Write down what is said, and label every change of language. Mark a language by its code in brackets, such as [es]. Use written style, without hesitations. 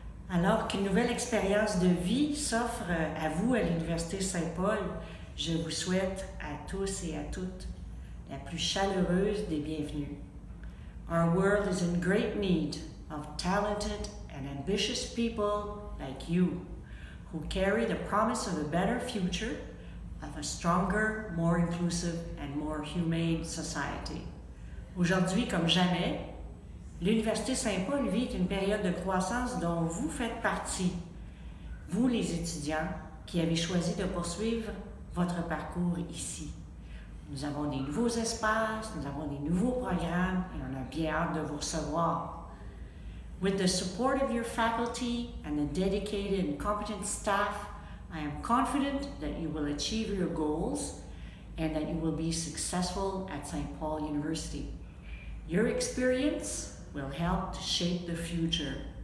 [fr] Alors qu'une nouvelle expérience de vie s'offre à vous à l'Université Saint-Paul, je vous souhaite à tous et à toutes la plus chaleureuse des bienvenues. [en] Our world is in great need of talented and ambitious people like you, who carry the promise of a better future, of a stronger, more inclusive, and more humane society. [fr] Aujourd'hui, comme jamais, l'Université Saint-Paul vit une période de croissance dont vous faites partie, vous les étudiants qui avez choisi de poursuivre votre parcours ici. Nous avons des nouveaux espaces, nous avons des nouveaux programmes et on a bien hâte de vous recevoir. [en] With the support of your faculty and the dedicated and competent staff, I am confident that you will achieve your goals and that you will be successful at St. Paul University. Your experience will help to shape the future.